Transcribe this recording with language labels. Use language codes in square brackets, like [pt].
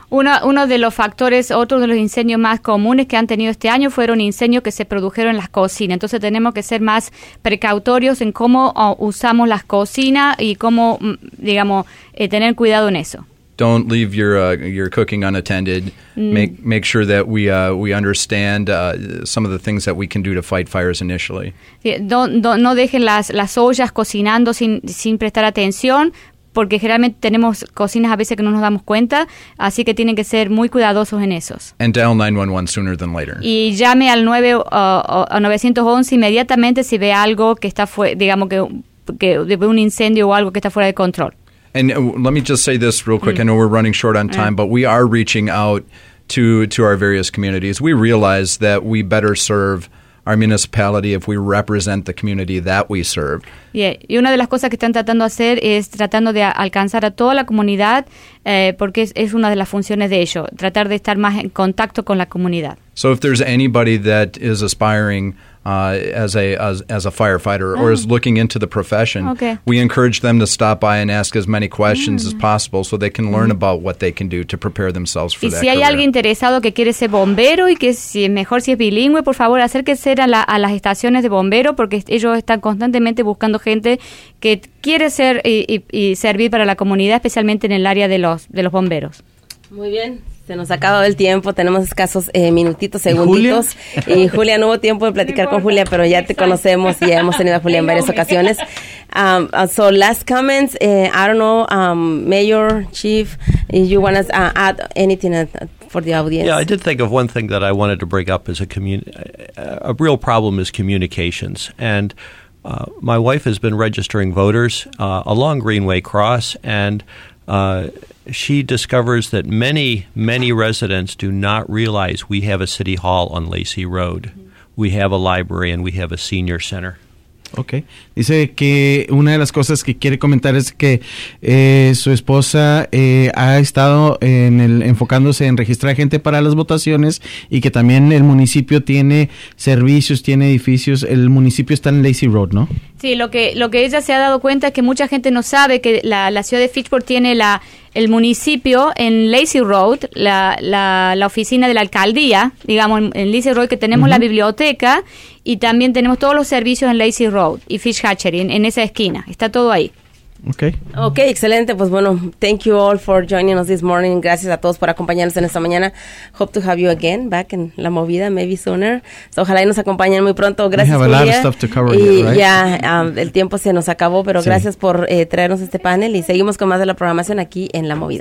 [es] Uno de los factores, otro de los incendios más comunes que han tenido este año fueron incendios que se produjeron en las cocinas. Entonces tenemos que ser más precautorios en cómo usamos las cocinas y cómo, digamos, tener cuidado en eso. [en] Don't leave your cooking unattended. Make sure that we understand some of the things that we can do to fight fires initially. [es] No dejen las ollas cocinando sin prestar atención, porque generalmente tenemos cocinas a veces que no nos damos cuenta, así que tienen que ser muy cuidadosos en esos. [en] And dial 911 sooner than later. [es] Y llame al 911 inmediatamente si ve algo que está que un incendio o algo que está fuera de control. [en] And let me just say this real quick. I know we're running short on time, but we are reaching out to our various communities. We realize that we better serve our municipality if we represent the community that we serve. Yeah. [es] Y una de las cosas que están tratando de hacer es tratando de alcanzar a toda la comunidad, porque es una de las funciones de ellos, tratar de estar más en contacto con la comunidad. [en] So if there's anybody that is aspiring as a firefighter or is looking into the profession, okay. We encourage them to stop by and ask as many questions as possible so they can learn about what they can do to prepare themselves for [es] y [en] that [es] si Y si hay alguien interesado que quiere ser bombero y que si mejor si es bilingüe, por favor, acérquese a las estaciones de bombero porque ellos están constantemente buscando gente que quiere ser y servir para la comunidad, especialmente en el área de los bomberos. Muy bien. Se nos ha acabado el tiempo, tenemos escasos minutitos, segunditos. ¿Y Julia? Y Julia, no hubo tiempo de platicar con Julia, pero ya te conocemos y ya hemos tenido a Julia en varias ocasiones. [en] So, last comments, I don't know, Mayor, Chief, you want to add anything for the audience? Yeah, I did think of one thing that I wanted to bring up as a real problem is communications. And my wife has been registering voters along Greenway Cross, and she discovers that many, many residents do not realize we have a city hall on Lacey Road. We have a library and we have a senior center. Okay. [es] Dice que una de las cosas que quiere comentar es que su esposa ha estado enfocándose en registrar gente para las votaciones y que también el municipio tiene servicios, tiene edificios. El municipio está en Lacey Road, ¿no? Sí, lo que ella se ha dado cuenta es que mucha gente no sabe que la ciudad de Fitchburg tiene el municipio en Lacey Road, la oficina de la alcaldía, digamos, en Lacey Road, que tenemos la biblioteca y también tenemos todos los servicios en Lacey Road y Fish Hatchery, en esa esquina. Está todo ahí. [en] Okay, [es] excelente. Pues bueno, [en] thank you all for joining us this morning. [es] Gracias a todos por acompañarnos en esta mañana. [en] Hope to have you again back in La Movida, maybe sooner. So, [es] ojalá y nos acompañen muy pronto. Gracias, [en] Julia. We have a lot of stuff to cover [es] y [en] here, right? [es] Ya, el tiempo se nos acabó, pero sí. Gracias por traernos este panel y seguimos con más de la programación aquí en La Movida.